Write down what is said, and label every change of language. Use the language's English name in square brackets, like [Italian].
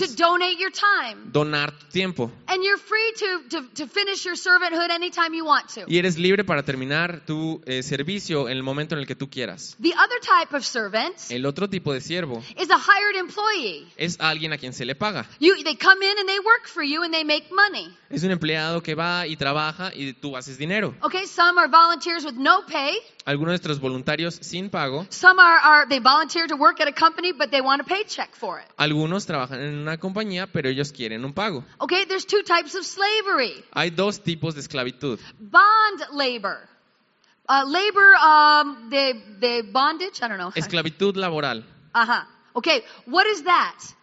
[English] To donate your time. [Spanish] Donar tu tiempo. [English] And you're free to finish your servanthood anytime you want to. [Spanish] Y eres libre para terminar tu servicio en el momento en el que tú quieras. [English] The other type of servant. [Spanish] El otro tipo de siervo. [English] Is a hired employee. [Spanish] Es alguien a quien se le paga. [English] They come in and they work for you and they make money. [Spanish] Es un empleado que va y trabaja y tú haces dinero. [English] Okay, some are volunteers with no pay. [Spanish] Algunos de nuestros voluntarios sin pago. [English] Some are they volunteer to work at a company but they want a paycheck for. [Spanish] Algunos trabajan en una compañía, pero ellos quieren un pago. [English] Okay, there's two types of slavery. [Spanish] Hay dos tipos de esclavitud. [English] Bond labor. [Spanish] Labor de bondage, [English] I don't know. [Spanish] Esclavitud laboral. [English] Ajá. Okay, what is that?